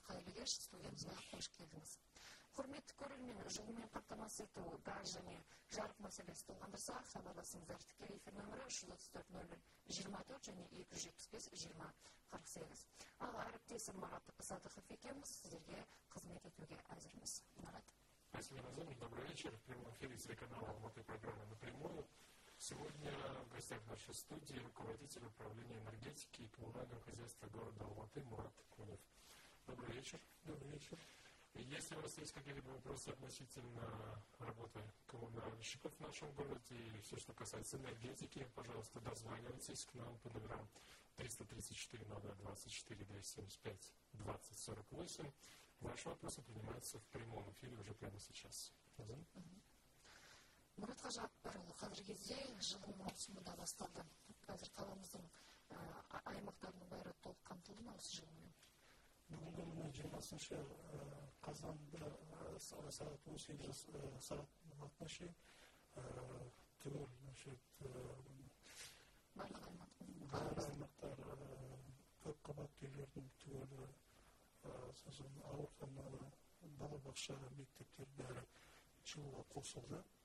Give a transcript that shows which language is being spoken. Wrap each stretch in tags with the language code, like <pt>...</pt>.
<kk>Қайырлы кеш, студиямызға қош келдіңіз. Құрметті көрермен, жылумен қамтамасыз ету газ және жарық мәселесі толғандырса, хабарласыңыздар. Тікелей эфир нөмірі 334-024 және 275-20-48. Ал әріптесім Марат Садықов екеміз, сіздерге қызмет етуге әзірміз. Марат.</kk> <ru>Спасибо, Назар. Добрый вечер. В прямом эфире телеканала «Алматы» программы «Напрямую». Сегодня в гостях нашей студии руководитель управления энергетики и коммунального хозяйства города Алматы Мурат Конев. Добрый вечер. Добрый вечер. Если у вас есть какие-либо вопросы относительно работы коммунальщиков в нашем городе или все, что касается энергетики, пожалуйста, дозванивайтесь к нам по номерам 334-024-275-2048. Ваши вопросы принимаются в прямом эфире уже прямо сейчас.</ru> <kk>Мұрат Қажы Ақпарұлы, қазір кезде жылу маусымында басталды. Қазір қаламыздың аймақтарының бәрі толық қамтылды ма осы жылумен? Бүгінгі күні 20 қазанда сағат 18 сағат шейін тегін барлық аймақтар көп қабатты үйлердің тегіні сосын ауруханалар, балабақша, мектептер бәрі жылуға қосылды.</kk>